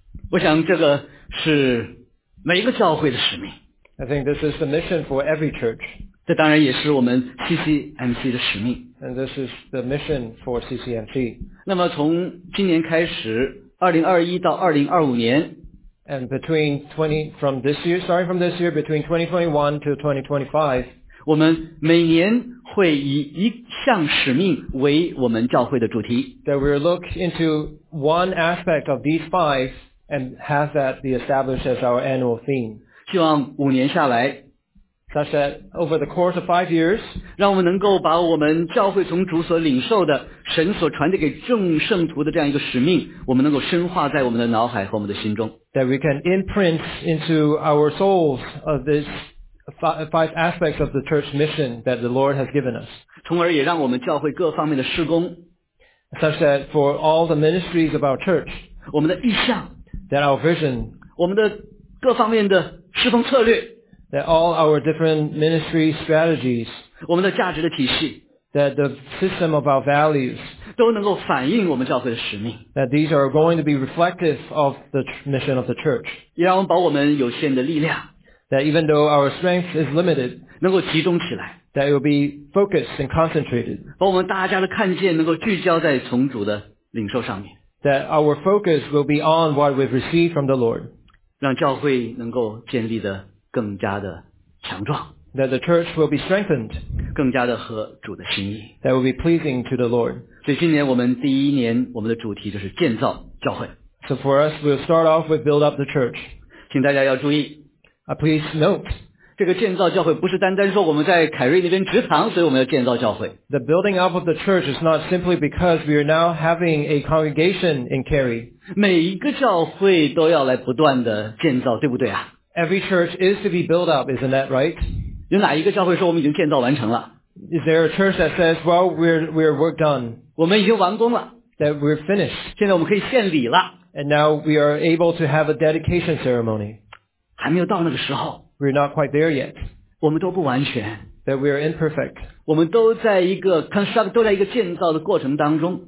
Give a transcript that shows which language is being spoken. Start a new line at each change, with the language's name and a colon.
Chinese: 我想这个是每一个教会的使命。
English: I think this is the mission for every church.
Chinese: 这当然也是我们 CCMC 的使命。
English: And this is the mission for CCMC.
Chinese: 那么从今年开始，2021到2025年。
English: And between 20 from this year, starting from this year, between 2021 to 2025.
Chinese: 我们每年会以一项使命为我们教会的主题。
English: That we look into one aspect of these five and have that be established as our annual theme.
Chinese: 希望五年下来
English: ，such that over the course of five years，
Chinese: 让我们能够把我们教会从主所领受的、神所传递给众圣徒的这样一个使命，我们能够深化在我们的脑海和我们的心中。
English: That we can imprint into our souls of this. Five aspects of the church mission that the Lord has given us.
Chinese: 从而也让我们教会各方面的事工
English: such that for all the ministries of our church,
Chinese: 我们的意向
English: that our vision,
Chinese: 我们的各方面的侍奉策略
English: that all our different ministry strategies,
Chinese: 我们的价值的体系
English: that the system of our values,
Chinese: 都能够反映我们教会的使命
English: that these are going to be reflective of the mission of the church.
Chinese: 也让我们把我们有限的力量
English: That even though our strength is limited,
Chinese: 能够集中起来
English: that it will be focused and concentrated,
Chinese: 把我们大家的看见能够聚焦在从主的领受上面
English: that our focus will be on what we've received from the Lord,
Chinese: 让教会能够建立得更加的强壮
English: that the church will be strengthened,
Chinese: 更加的合主的心意
English: that will be pleasing to the Lord.
Chinese: 所以今年我们第一年我们的主题就是建造教会
English: So for us, we'll start off with build up the church.
Chinese: 请大家要注意
English: Please note,
Chinese: 这个建造教会不是单单说我们在凯瑞那边职堂，所以我们要建造教会。
English: The building up of the church is not simply because we are now having a congregation in Cary.
Chinese: 每一个教会都要来不断的建造，对不对啊
English: ？Every church is to be built up, isn't that right?
Chinese: 有哪一个教会说我们已经建造完成了
English: ？Is there a church that says, "Well, we're work done"?
Chinese: 我们已经完工了。
English: That we're finished.
Chinese: 现在我们可以献礼了。
English: And now we are able to have a dedication ceremony.
Chinese: 还没有到那个时候
English: We're not quite there yet.
Chinese: 我们都不完全
English: That we are imperfect.
Chinese: 我们都在一个 construct, 都在一个建造的过程当中